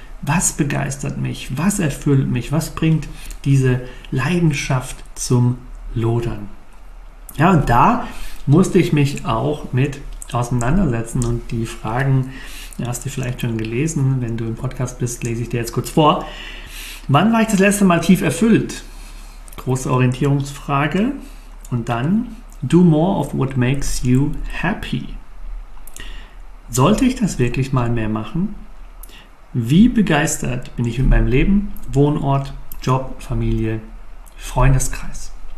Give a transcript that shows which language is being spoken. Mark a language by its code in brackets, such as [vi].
[de] Was begeistert mich? Was erfüllt mich? Was bringt diese Leidenschaft zum Lodern? Ja, und da musste ich mich auch mit auseinandersetzen und die Fragen, hast du vielleicht schon gelesen, wenn du im Podcast bist, lese ich dir jetzt kurz vor. Wann war ich das letzte Mal tief erfüllt? Große Orientierungsfrage. Und dann, [en] do more of what makes you happy. [de] Sollte ich das wirklich mal mehr machen? Wie begeistert bin ich mit meinem Leben, Wohnort, Job, Familie, Freundeskreis?